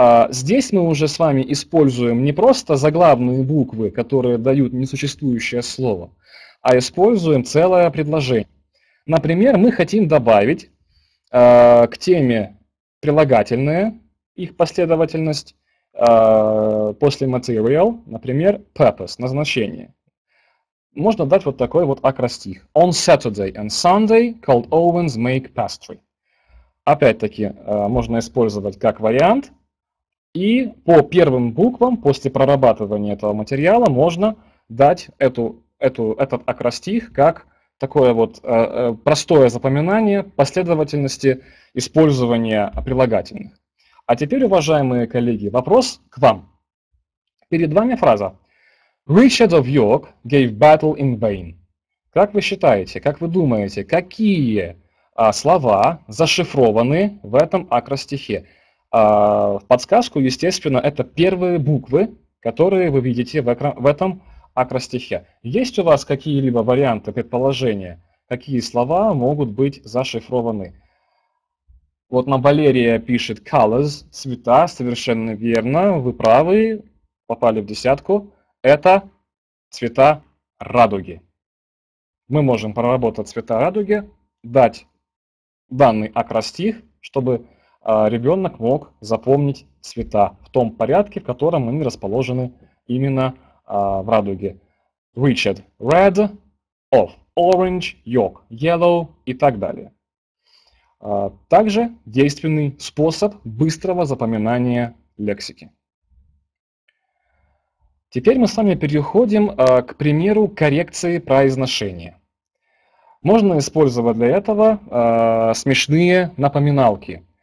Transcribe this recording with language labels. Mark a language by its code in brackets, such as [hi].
[ru] Здесь мы уже с вами используем не просто заглавные буквы, которые дают несуществующее слово, а используем целое предложение. Например, мы хотим добавить к теме прилагательное, их последовательность, после material, например, purpose, назначение. Можно дать вот такой вот акростих. [en] On Saturday and Sunday, called Owens make pastry. [ru] Опять-таки, можно использовать как вариант. И по первым буквам, после прорабатывания этого материала, можно дать этот акростих как такое вот простое запоминание последовательности использования прилагательных. А теперь, уважаемые коллеги, вопрос к вам. Перед вами фраза. [en] Richard of York gave battle in vain. [ru] Как вы считаете, как вы думаете, какие слова зашифрованы в этом акростихе? В подсказку, естественно, это первые буквы, которые вы видите в этом акростихе. Есть у вас какие-либо варианты, предположения, какие слова могут быть зашифрованы? Вот нам Валерия пишет colors, цвета, совершенно верно, вы правы, попали в десятку. Это цвета радуги. Мы можем проработать цвета радуги, дать данный акростих, чтобы ребенок мог запомнить цвета в том порядке, в котором они расположены именно в радуге. [en] Richard – red, of, orange, York, yellow [ru] и так далее. Также действенный способ быстрого запоминания лексики. Теперь мы с вами переходим к примеру коррекции произношения. Можно использовать для этого смешные напоминалки.